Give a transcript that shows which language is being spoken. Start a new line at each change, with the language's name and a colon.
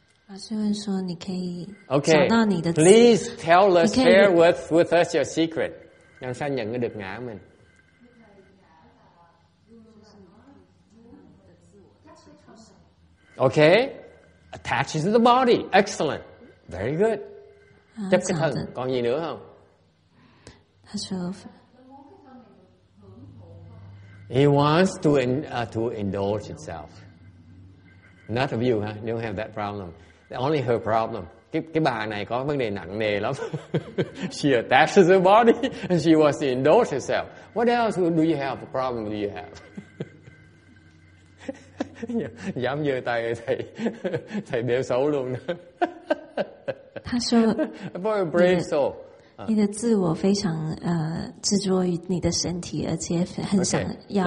English: Okay, please tell us, share with us your secret.
Vietnamese: Làm sao nhận được ngã mình?
English: Okay, attaches to the body. Excellent, very good.
Vietnamese: Chấp cái thân. Còn gì nữa không?
English: He wants to indulge itself. Not of you, huh? You don't have that problem. Only her problem.
Vietnamese: Cái bà này có vấn đề nặng nề lắm.
English: She attaches the body and she wants to indulge herself. What else do you have? Problem do you have?
Vietnamese: Dám giơ tay thầy đeo xấu luôn đó.
Chinese: 他说
English: ，Very brave soul.
Chinese: 你的自我非常执着于你的身体，而且很想要。